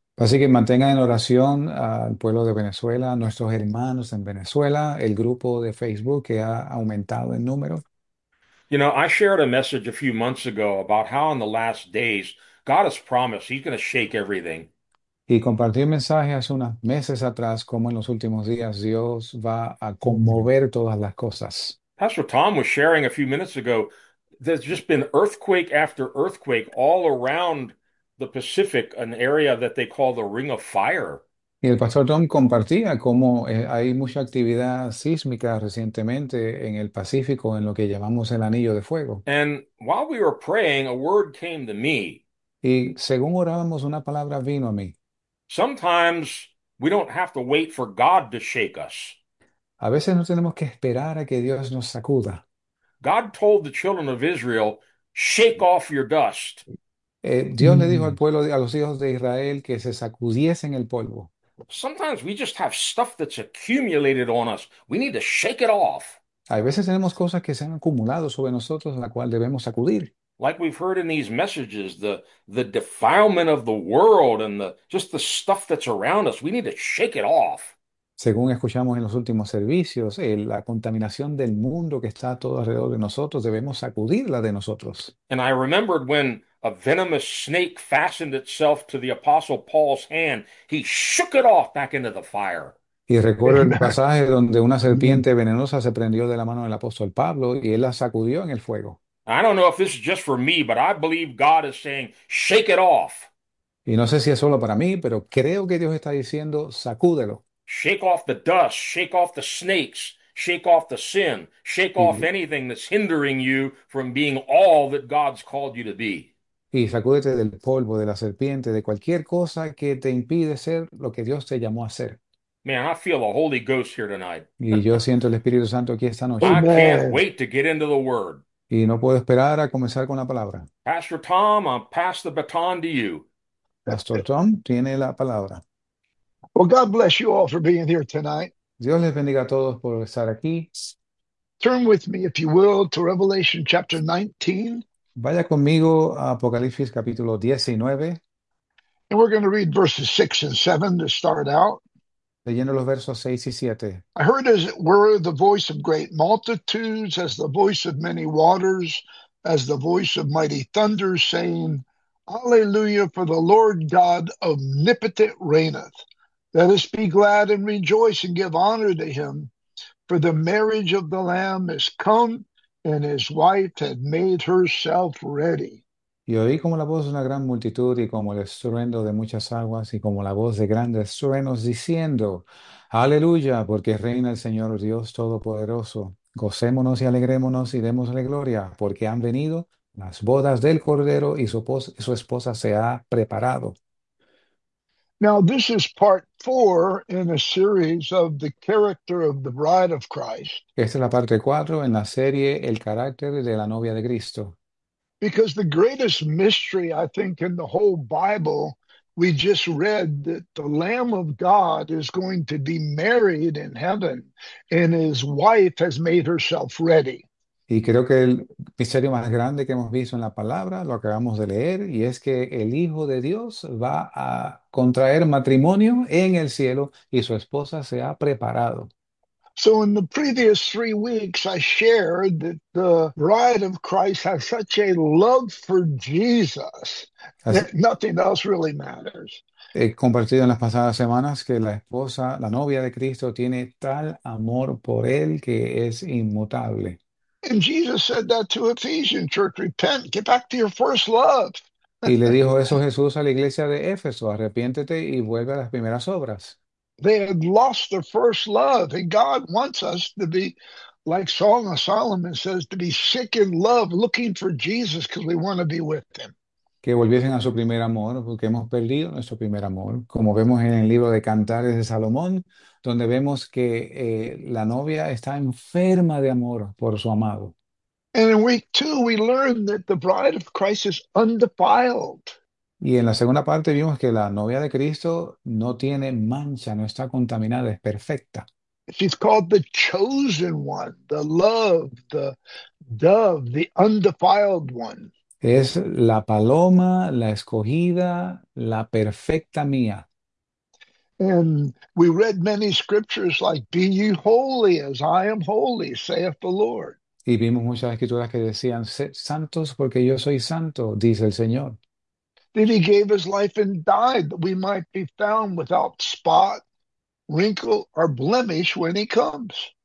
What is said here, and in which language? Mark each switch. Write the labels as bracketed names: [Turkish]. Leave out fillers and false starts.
[Spanish] Así que mantengan en oración al pueblo de Venezuela, a nuestros hermanos en Venezuela, el grupo de Facebook que ha aumentado en número. [English] You know, I shared a message a few months ago about how in the last days, God has promised he's going to shake everything. [Spanish] Y compartí un mensaje hace unos meses atrás, cómo en los últimos días Dios va a conmover todas las cosas. [English] Pastor Tom was sharing a few minutes ago, there's just been earthquake after earthquake all around the Pacific, an area that they call the Ring of Fire. [Spanish] Y el pastor Tom compartía cómo hay mucha actividad sísmica recientemente en el Pacífico, en lo que llamamos el Anillo de Fuego. [English] And while we were praying, a word came to me. [Spanish] Y según orábamos, una palabra vino a mí. [English] Sometimes we don't have to wait for God to shake us. [Spanish] A veces no tenemos que esperar a que Dios nos sacuda. [English] God told the children of Israel, shake off your dust. [Spanish] Dios le dijo al pueblo, a los hijos de Israel, que se sacudiesen el polvo. [English] Sometimes we just have stuff that's accumulated on us. We need to shake it off. [Spanish] A veces tenemos cosas que se han acumulado sobre nosotros, la cual debemos acudir. [English] Like we've heard in these messages, the defilement of the world and just the stuff that's around us, we need to shake it off. [Spanish] Según escuchamos en los últimos servicios, la contaminación del mundo que está todo alrededor de nosotros, debemos sacudirla de nosotros. [English] And I remembered when a venomous snake fastened itself to the Apostle Paul's hand, he shook it off back into the fire. [Spanish] Y recuerdo el pasaje donde una Amen. serpiente venenosa se prendió de la mano del apóstol Pablo y él la sacudió en el fuego. [English] I don't know if this is just for me, but I believe God is saying, shake it off. [Spanish] Y no sé si es solo para mí, pero creo que Dios está diciendo, sacúdelo. [English] Shake off the dust, shake off the snakes, shake off the sin, shake off anything that's hindering you from being all that God's called you to be. [Spanish] Y sacúdete del polvo, de la serpiente, de cualquier cosa que te impide ser lo que Dios te llamó a ser. [English] Man, I feel the Holy Ghost here tonight. [Spanish] Y yo siento el Espíritu Santo aquí esta noche. [English] I can't wait to get into the word. [Spanish] Y no puedo esperar a comenzar con la palabra. [English] Pastor Tom, I'll pass the baton to you. [Spanish] Pastor Tom tiene la palabra. [English] Well, God bless you all for being here tonight. [Spanish] Dios les bendiga a todos por estar aquí. [English] Turn with me, if you will, to Revelation chapter 19. [Spanish] Vaya conmigo a Apocalipsis capítulo 19. [English] And we're going to read verses 6 and 7 to start out. [Spanish] Leyendo los versos 6 y 7. [English] I heard, as it were, the voice of great multitudes, as the voice of many waters, as the voice of mighty thunder, saying, Alleluia, for the Lord God omnipotent reigneth. Let us be glad and rejoice and give honor to him, for the marriage of the Lamb is come, and his wife had made herself ready. [Spanish] Y oí como la voz de una gran multitud y como el estruendo de muchas aguas y como la voz de grandes truenos diciendo, Aleluya, porque reina el Señor Dios Todopoderoso. Gocémonos y alegrémonos y démosle gloria, porque han venido las bodas del Cordero y su esposa se ha preparado. [English] Now, this is part four in a series of the character of the bride of Christ. [Spanish] Esta es la parte 4 en la serie El carácter de la novia de Cristo. [English] Because the greatest mystery, I think, in the whole Bible, we just read that the Lamb of God is going to be married in heaven, and his wife has made herself ready. [Spanish] Y creo que el misterio más grande que hemos visto en la palabra lo acabamos de leer, y es que el Hijo de Dios va a contraer matrimonio en el cielo y su esposa se ha preparado. [English] So in the previous 3 weeks, I shared that the bride of Christ has such a love for Jesus [Spanish] Así. [English] that nothing else really matters. [Spanish] He compartido en las pasadas semanas que la esposa, la novia de Cristo, tiene tal amor por él que es inmutable. [English] And Jesus said that to Ephesian church, repent, get back to your first love. [Spanish] Y le dijo eso Jesús a la iglesia de Éfeso, arrepiéntete y vuelve a las primeras obras. [English] They had lost their first love, and God wants us to be like Song of Solomon says, to be sick in love, looking for Jesus because we want to be with him. [Spanish] Que volviesen a su primer amor, porque hemos perdido nuestro primer amor. Como vemos en el libro de Cantares de Salomón, donde vemos que la novia está enferma de amor por su amado. [English] And in week two, we learned that the bride of Christ is undefiled. [Spanish] Y en la segunda parte vimos que la novia de Cristo no tiene mancha, no está contaminada, es perfecta. [English] She's called the chosen one, the love, the dove, the undefiled one. [Spanish] Es la paloma, la escogida, la perfecta mía. [English] And we read many scriptures like, be ye holy as I am holy, saith the Lord. [Spanish] Y vimos muchas escrituras que decían, sed santos porque yo soy santo, dice el Señor. [English] Then he gave his life and died that we might be found without spot, wrinkle or blemish when he comes.